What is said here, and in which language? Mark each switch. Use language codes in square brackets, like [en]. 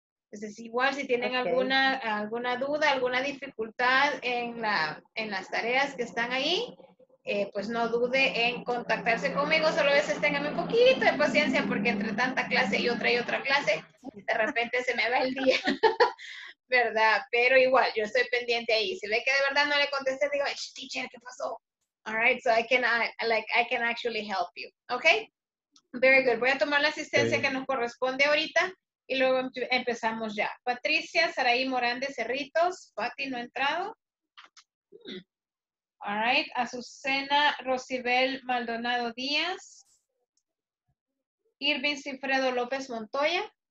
[es] Entonces, igual si tienen okay. alguna duda, alguna dificultad en las tareas que están ahí, pues no dude en contactarse conmigo, solo a veces téngame un poquito de paciencia, porque entre tanta clase y otra clase, de repente se me va el día, ¿verdad? Pero igual, yo estoy pendiente ahí. Si ve que de verdad no le contesté, digo, teacher, ¿qué pasó? [en] All right, so I can actually help you. Okay, very good. [es] Voy a tomar la asistencia okay. que nos corresponde ahorita y luego empezamos ya. Patricia, Saraí Morán de Cerritos, Patty no ha entrado. [en] All right, [es] Azucena Rosibel Maldonado Díaz, Irving Cifredo López Montoya.